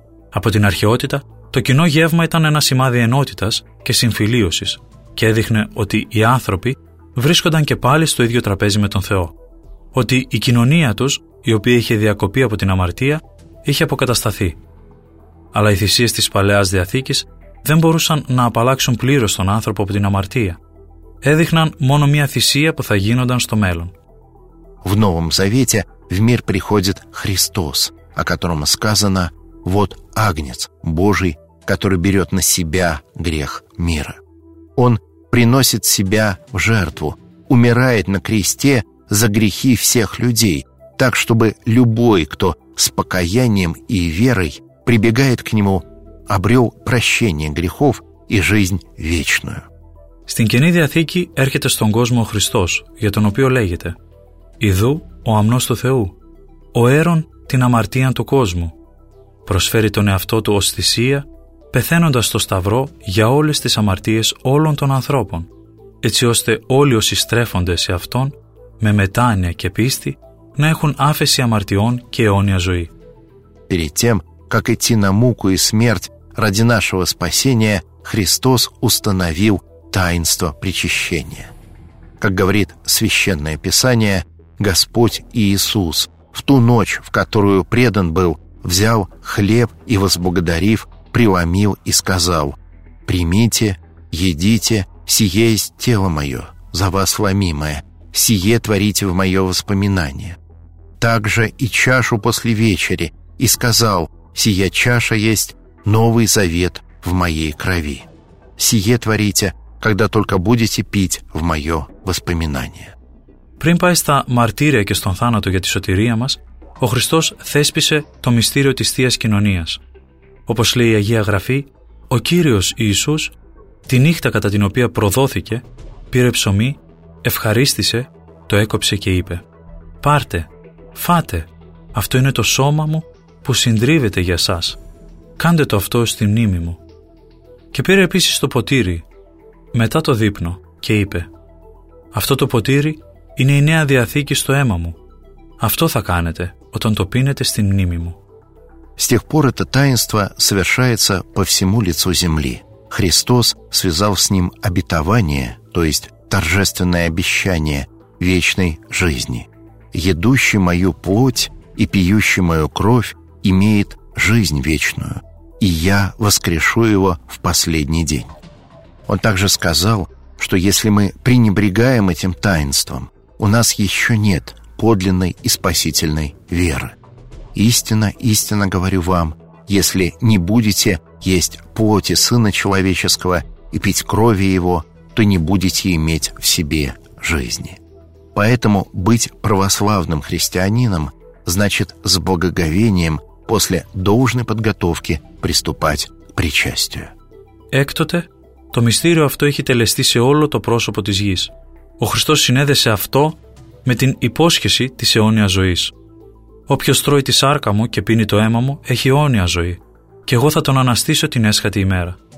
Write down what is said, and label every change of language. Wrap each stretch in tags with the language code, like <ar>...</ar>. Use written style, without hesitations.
<el>Από την αρχαιότητα, το κοινό γεύμα ήταν ένα σημάδι ενότητας και συμφιλίωσης και έδειχνε ότι οι άνθρωποι βρίσκονταν και πάλι στο ίδιο τραπέζι με τον Θεό. Ότι η κοινωνία τους, η οποία είχε διακοπεί από την αμαρτία, είχε αποκατασταθεί. Αλλά οι θυσίες της Παλαιάς Διαθήκης δεν μπορούσαν να απαλλάξουν πλήρως τον άνθρωπο από την αμαρτία. Έδειχναν μόνο μία θυσία που θα γίνονταν στο μέλλον.</el> <ru>В Новом Завете в мир приходит Христос, о котором сказано: «Вот Агнец Божий, который берет на себя грех мира». Он приносит себя в жертву, умирает на кресте за грехи всех людей, так чтобы любой, кто с покаянием и верой прибегает к Нему, обрел прощение грехов и жизнь вечную.</ru> <el>Στην Καινή Διαθήκη έρχεται στον κόσμο ο Χριστός, για τον οποίο λέγεται «Ιδού ο αμνός του Θεού, ο αίρον την αμαρτία του κόσμου, προσφέρει τον εαυτό του ως θυσία, πεθαίνοντας στο σταυρό για όλες τις αμαρτίες όλων των ανθρώπων, έτσι ώστε όλοι όσοι στρέφονται σε Αυτόν, με μετάνοια και πίστη, να έχουν άφεση αμαρτιών και αιώνια ζωή».</el> <ru>Как идти на муку и смерть ради нашего спасения, Христос установил таинство причащения. Как говорит Священное Писание, Господь Иисус в ту ночь, в которую предан был, взял хлеб и, возблагодарив, преломил и сказал: «Примите, едите, сие есть тело мое, за вас ломимое, сие творите в мое воспоминание». Также и чашу после вечери, и сказал: «Сия чаша есть новый завет в моей крови. Сие творите, когда только будете пить в мое воспоминание».</ru> <el>Πριν πάει στα μαρτύρια και στον θάνατο για τη σωτηρία μας, ο Χριστός θέσπισε το μυστήριο της Θείας Κοινωνίας. Όπως λέει η Αγία Γραφή, ο Κύριος Ιησούς, τη νύχτα κατά την οποία προδόθηκε, πήρε ψωμί, ευχαρίστησε, το έκοψε και είπε «Πάρτε, φάτε, αυτό είναι το σώμα μου που συντρίβεται για σας. Κάντε το αυτό στη μνήμη μου». Και πήρε επίσης το ποτήρι, μετά το δείπνο, και είπε «Αυτό το ποτήρι είναι η νέα διαθήκη στο αίμα μου. Αυτό θα κάνετε όταν το πίνετε στη μνήμη μου».</el> <ru>С тех пор это таинство совершается по всему лицу земли. Христос связал с ним обетование, то есть торжественное обещание вечной жизни. «Едущий мою плоть и пьющий мою кровь имеет жизнь вечную, и я воскрешу его в последний день». Он также сказал, что если мы пренебрегаем этим таинством, у нас еще нет подлинной и спасительной веры. «Истинно, истинно говорю вам, если не будете есть плоти Сына Человеческого и пить крови Его, то не будете иметь в себе жизни». Поэтому быть православным христианином значит с благоговением после должной подготовки приступать к причастию.</ru> <el>Έκτοτε, το μυστήριο αυτό έχει τελεστεί σε όλο το πρόσωπο της γης. Ο Χριστός συνέδεσε αυτό με την υπόσχεση της αιώνιας ζωής. Όποιος τρώει τη σάρκα μου και πίνει το αίμα μου έχει αιώνια ζωή και εγώ θα τον αναστήσω την έσχατη ημέρα.</el>